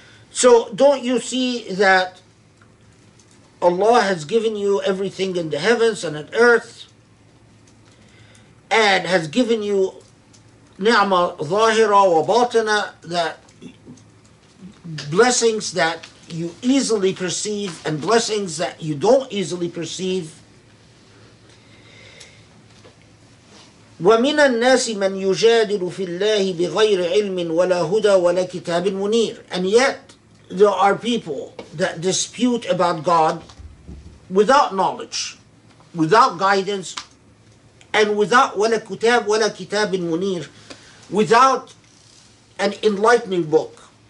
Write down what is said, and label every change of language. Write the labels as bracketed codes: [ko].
[en] So don't you see that Allah has given you everything in the heavens and on earth, and has given you [ar] ni'ma zahira wa batina, [en] that blessings that you easily perceive and blessings that you don't easily perceive. [ar] ومن الناس من يجادل في الله بغير علم ولا هدى ولا كتاب منير. [en] And yet there are people that dispute about God without knowledge, without guidance, and without [ar] ولا كتاب منير, [en] without an enlightening book.